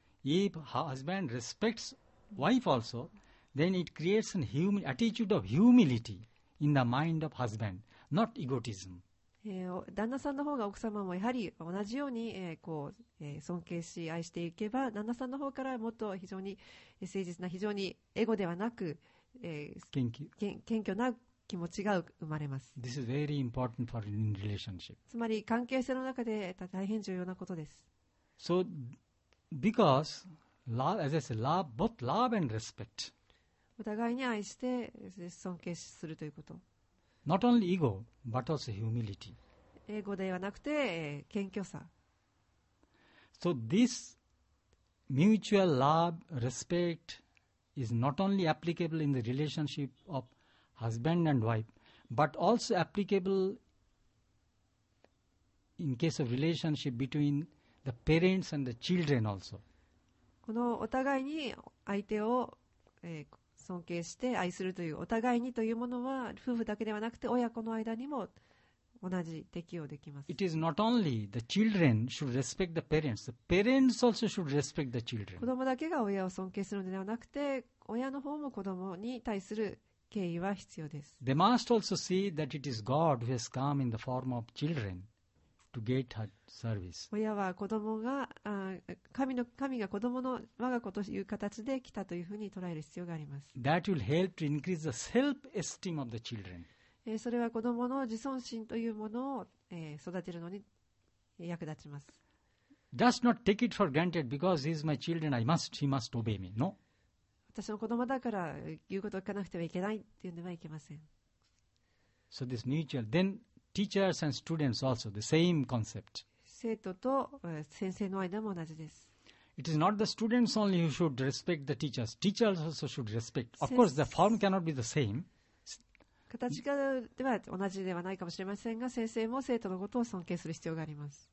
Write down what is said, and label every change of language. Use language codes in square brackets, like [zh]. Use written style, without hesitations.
[en] If husband respects wife also, then it creates an attitude of humility in the mind of husband, not egotism. [ja] 旦那さんの方が奥様もやはり同じように、こう、尊敬し愛していけば旦那さんの方からもっと非常に誠実な非常にエゴではなく、謙虚な気持ちが生まれます。 [en] This is very important for in relationship. [ja] つまり関係性の中で大変重要なことです。 [en] So because love, as I said, love, both love and respect. [ja] お互いに愛して尊敬するということ。 [en] Not only ego, but also humility. [ja] Ego ではなくて、謙虚さ。 [en] So this mutual love, respect is not only applicable in the relationship of husband and wife, but also applicable in case of relationship between the parents and the children also. [ja] このお互いに相手を、尊敬して愛するというお互いにというものは夫婦だけではなくて親子の間にも同じ適用できます。 [en] It is not only the children should respect the parents. The parents also should respect the children. [ja] 子供だけが親を尊敬するのではなくて親の方も子供に対する敬意は必要です。 [en] They must also see that it is God who has come in the form of children to get her service. [ja] 親は子供が神が子供の我が子という形で来たというふうに捉える必要があります。 [en] That will help to increase the self-esteem of the children. [ja] それは子供の自尊心というものを、育てるのに役立ちます。 [en] Just not take it for granted because he is my children, he must obey me. No. [ja] 私の子供だから言うことを聞かなくてはいけないというのではいけません。 [en] So this mutual, then teachers and students also, the same concept. [ja] 生徒と先生の間も同じです。 [en] It is not the students only who should respect the teachers. Teachers also should respect. Of course, the form cannot be the same. [ja] 形では同じではないかもしれませんが、先生も生徒のことを尊敬する必要があります。